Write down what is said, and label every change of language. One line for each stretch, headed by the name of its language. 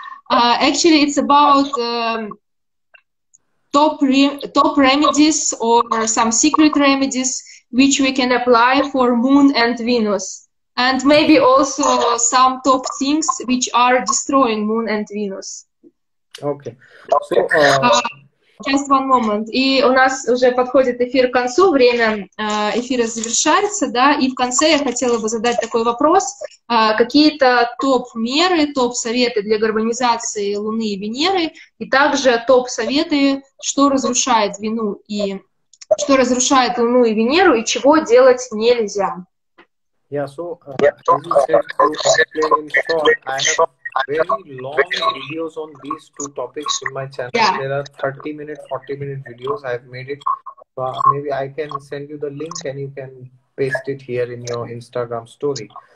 English: Actually, it's about top remedies or some secret remedies which we can apply for Moon and Venus. And maybe also some top things which are destroying Moon and Venus. Okay. So, Just one moment.
Russian: И у нас уже подходит эфир к концу, время эфира завершается, да, и в конце я хотела бы задать такой вопрос. Какие-то топ-меры, топ-советы для гармонизации Луны и Венеры, и также топ-советы, что разрушает вину и что разрушает Луну и Венеру, и чего делать нельзя.
English: Yeah, so as you said, explaining Sol, I have very long videos on these two topics in my channel. Yeah. There are 30-minute, 40-minute videos. I have made it. So maybe I can send you the link and you can paste it here in your Instagram story.